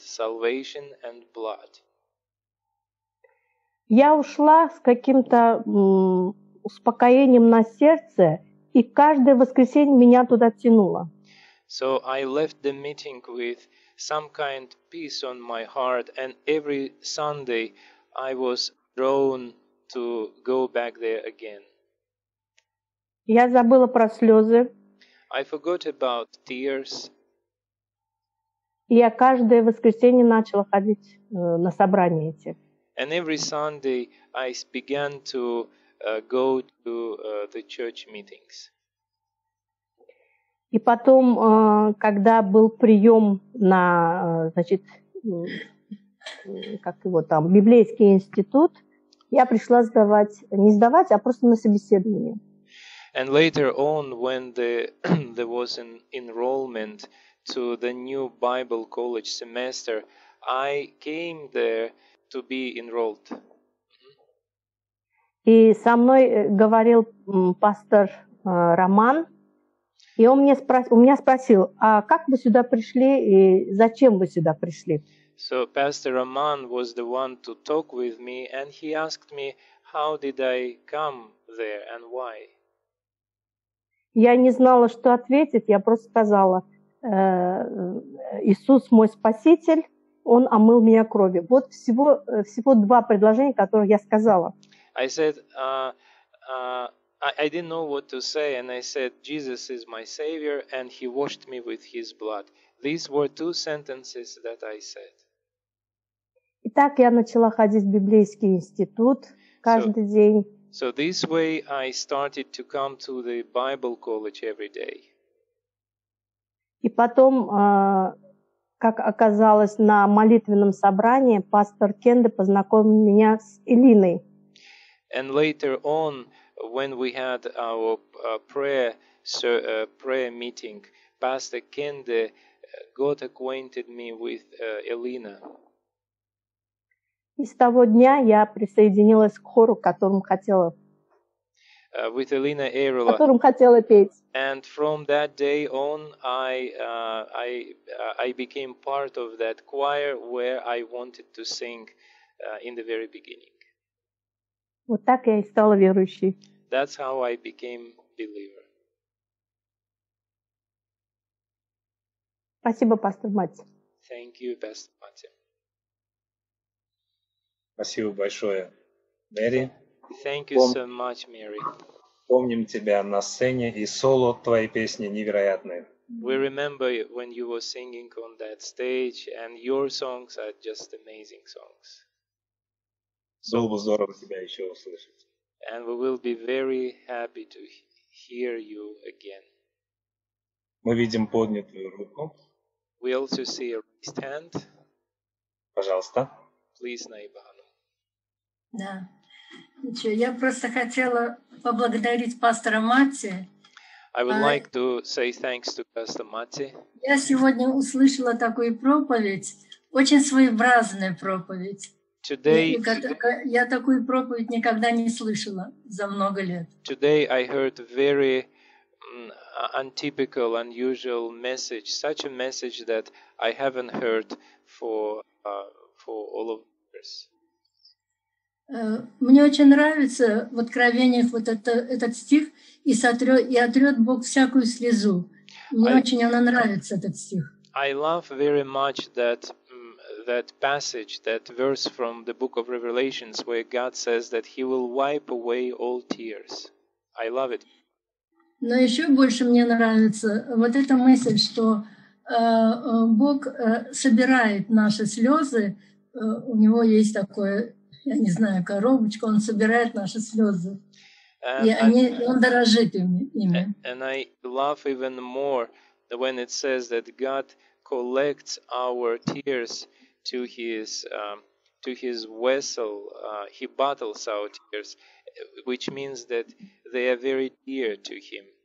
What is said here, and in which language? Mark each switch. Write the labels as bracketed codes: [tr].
[en] Salvation and blood. [ru] Я ушла с каким-то успокоением на сердце, и каждое воскресенье меня туда тянуло. [en] So I left the meeting with some kind of peace on my heart, and every Sunday I was drawn to go back there again. [ru] Я забыла про слезы. [en] I forgot about tears. [ru] И я каждое воскресенье начала ходить на собрания эти. [en] And every Sunday I began to go to the church meetings. [ru] И потом, когда был прием на, значит, как его там, библейский институт, я пришла сдавать, не сдавать, а просто на собеседование. [en] And later on, when there was an enrollment to the new Bible college semester, I came there to be enrolled. [ru] И со мной говорил пастор Роман, и он мне у меня спросил, а как вы сюда пришли и зачем вы сюда пришли? [en] So Pastor Roman was the one to talk with me, and he asked me, how did I come there and why? [ru] Я не знала, что ответить, я просто сказала, Иисус мой спаситель. Он омыл меня кровью. Вот всего два предложения, которые я сказала. [en] I said, I didn't know what to say, and I said, Jesus is my savior, and he washed me with his blood. These were two sentences that I said. [ru] Итак, я начала ходить в библейский институт каждый день. [en] So this way I started to come to the Bible college every day. [ru] И потом, как оказалось, на молитвенном собрании пастор Кенде познакомил меня с Элиной. [en] And later on, when we had our prayer meeting, Pastor Kende got acquainted me with Elina. [ru] И с того дня я присоединилась к хору, которым хотела. [en] With Elina Ayrola, [ru] которым хотела петь. [en] And from that day on, I became part of that choir where I wanted to sing in the very beginning. [ru] Вот так я и стала верующей. [en] That's how I became believer. [ru] Спасибо, пастор Мати. [en] Thank you, pastor Mati. [ru] Спасибо большое, Мэри. [en] Thank you so much, Mary. [ru] Помним тебя на сцене и соло твои песни невероятные. [en] We remember when you were singing on that stage and your songs are just amazing songs. [ru] Было бы здорово тебя еще услышать. [en] And we will be very happy to hear you again. [ru] Мы видим поднятую руку. [en] We also see a raised hand. [ru] Пожалуйста. [en] Please, Наибану. [ru] Да. Ничего, я просто хотела поблагодарить пастора Мати. [en] I would like to say thanks to Pastor Mati. [ru] Я сегодня услышала такую проповедь, очень своеобразная проповедь. [en] Today, [ru] я такую проповедь никогда не слышала за много лет. [en] Today I heard very untypical, unusual message, such a message that I haven't heard for all of years. [ru] Мне очень нравится в Откровениях вот этот стих «И сотрет, и отрет Бог всякую слезу». Мне очень она нравится, этот стих. [en] I love very much that passage, that verse from the book of Revelations, where God says that He will wipe away all tears. I love it. [ru] Но еще больше мне нравится вот эта мысль, что Бог собирает наши слезы. У Него есть такое, я не знаю, коробочка, Он собирает наши слезы. Он дорожит ими. [en] And I love even more when it says that God collects our tears to his vessel, he bottles our tears, which means that they are very dear to him.